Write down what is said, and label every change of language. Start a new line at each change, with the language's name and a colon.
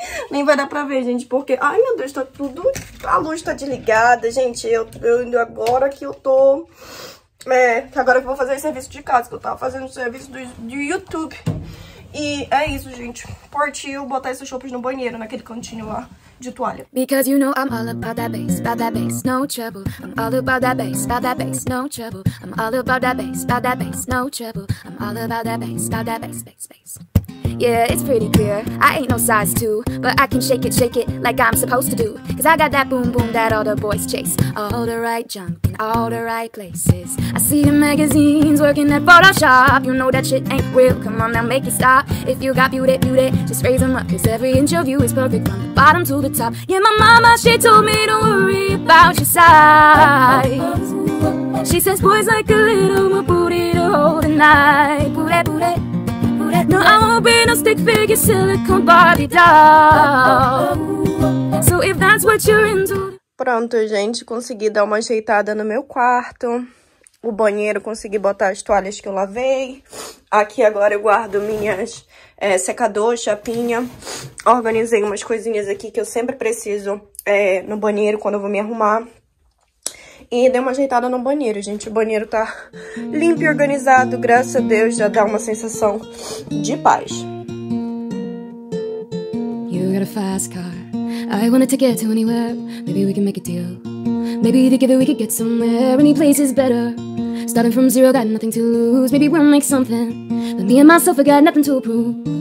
Portuguese: Nem vai dar pra ver, gente, porque... Ai, meu Deus, tá tudo... A luz tá desligada, gente. Eu indo agora que eu tô... É, agora que eu vou fazer serviço de casa, que eu tava fazendo serviço do YouTube. E é isso, gente. Partiu botar esses chopes no banheiro, naquele cantinho lá. De toalha.
English: Because you know I'm all about that bass, no trouble. I'm all about that bass, no trouble. I'm all about that bass, no trouble. I'm all about that bass, bass, bass. Yeah, it's pretty clear. I ain't no size 2, but I can shake it like I'm supposed to do. 'Cause I got that boom boom that all the boys chase. All the right junk in all the right places. I see the magazines working at Photoshop. You know that shit ain't real. Come on now, make it stop. If you got beauty, beauty, just raise them up. 'Cause every inch of you is perfect from the bottom to the top. Yeah, my mama, she told me to worry about your size. She says boys like a little more booty to hold tonight. Booty, booty. No, I won't be no stick figure silicone Barbie doll. So if that's what you're into.
Portuguese: Pronto, gente, consegui dar uma ajeitada no meu quarto. O banheiro, consegui botar as toalhas que eu lavei. Aqui agora eu guardo minhas secador, chapinha. Organizei umas coisinhas aqui que eu sempre preciso no banheiro quando eu vou me arrumar. E dei uma ajeitada no banheiro, gente. O banheiro tá limpo e organizado. Graças a Deus, já dá uma sensação de paz.
English: You got a fast car. I want a ticket to anywhere. Maybe we can make a deal. Maybe together we could get somewhere. Any place is better. Starting from zero, got nothing to lose. Maybe we'll make something. But me and myself, I got nothing to prove.